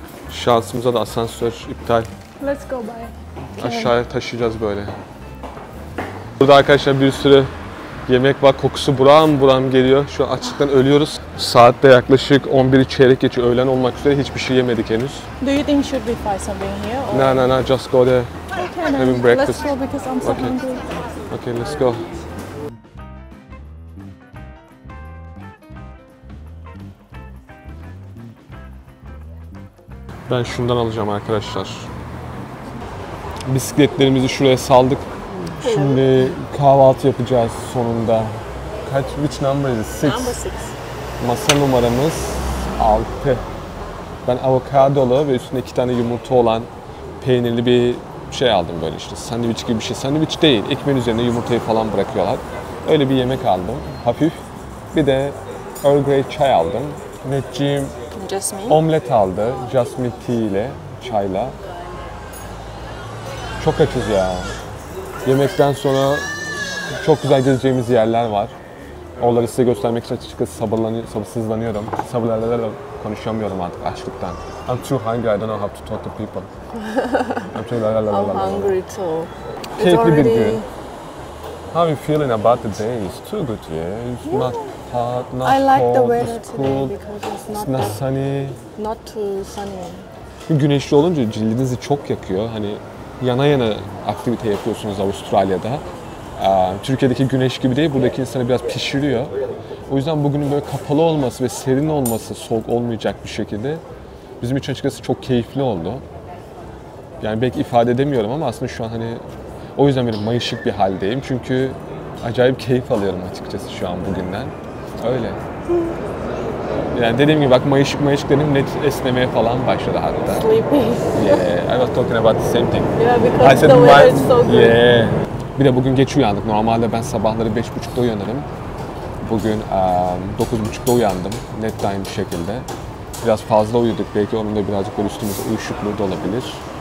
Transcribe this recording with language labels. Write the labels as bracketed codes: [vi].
[tr] Şansımıza da asansör iptal. [en] Let's go by. Okay. [tr] Aşağıya taşıyacağız böyle. Burada arkadaşlar bir sürü yemek var, kokusu buram buram geliyor. Şu an açlıktan ölüyoruz. Saatte yaklaşık 11'i çeyrek geçiyor, öğlen olmak üzere hiçbir şey yemedik henüz. [en] Do you think should we buy something here? Or... No, just go there. Okay, having breakfast. Let's go because I'm so okay. Hungry. Okay, let's go. [tr] Ben şundan alacağım arkadaşlar. Bisikletlerimizi şuraya saldık. Şimdi kahvaltı yapacağız sonunda. Kaç, [en] which number is it? Six. [tr] Masa numaramız 6. Ben avokadolu ve üstünde 2 tane yumurta olan peynirli bir şey aldım böyle işte. Sandviç gibi bir şey. Sandviç değil. Ekmeğin üzerine yumurtayı falan bırakıyorlar. Öyle bir yemek aldım. Hafif. Bir de Earl Grey çay aldım. Netciğim [en] Jasmine. [tr] Omlet aldı. Jasmine tea ile çayla. Çok açız ya. Yemekten sonra çok güzel gezeceğimiz yerler var. Onları size göstermek için açıkçası sabırsızlanıyorum. Sabırlarla konuşamıyorum artık açlıktan. [en] I'm too hungry, I don't know how to talk to people. I'm too hungry too. It's already... [tr] Keyifli bir gün. [en] How are you feeling about the day? It's too good, yeah. It's yeah. Not hot, not I like cold, the weather it's cool. Today because it's not sunny. Not too sunny. [tr] Güneşli olunca cildinizi çok yakıyor. Hani. Yana yana aktivite yapıyorsunuz Avustralya'da. Türkiye'deki güneş gibi değil, buradaki insanı biraz pişiriyor. O yüzden bugünün böyle kapalı olması ve serin olması, soğuk olmayacak bir şekilde bizim için açıkçası çok keyifli oldu. Yani belki ifade edemiyorum ama aslında şu an hani o yüzden benim mayışık bir haldeyim. Çünkü acayip keyif alıyorum açıkçası şu an bugünden. Öyle. Yani dediğim gibi bak mayışık dedim, net esnemeye falan başladı hatta. [en] Sleepy. Yeah, I was talking about the same thing. Yeah, because said, the weather is so good. Yeah. [tr] Bir de bugün geç uyandık. Normalde ben sabahları 5.30'da uyanırım. Bugün 9.30'da uyandım. Net time bir şekilde. Biraz fazla uyuduk. Belki onun da birazcık böyle üstümüzde uyuşukluğu da olabilir.